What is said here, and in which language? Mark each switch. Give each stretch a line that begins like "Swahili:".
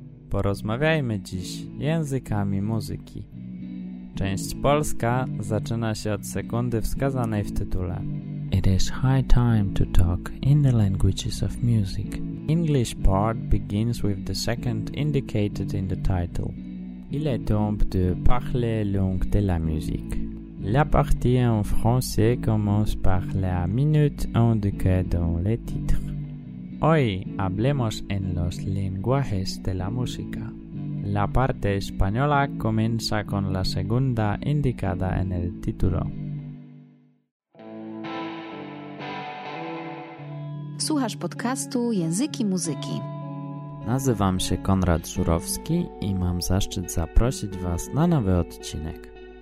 Polish: Porozmawiajmy dziś językami muzyki. Część polska zaczyna się od sekundy wskazanej w tytule.
English: It is high time to talk in the languages of music. English part begins with the second indicated in the title.
French: Il est temps de parler langue de la musique. La partie en français commence par la minute indiquée dans le titre.
Spanish: Hoy hablemos en los lenguajes de la música. La parte española comienza con la segunda indicada en el título.
Polish: Słuchasz podcastu Języki Muzyki. Nazywam się Konrad Żurowski i mam zaszczyt zaprosić Was na nowy odcinek.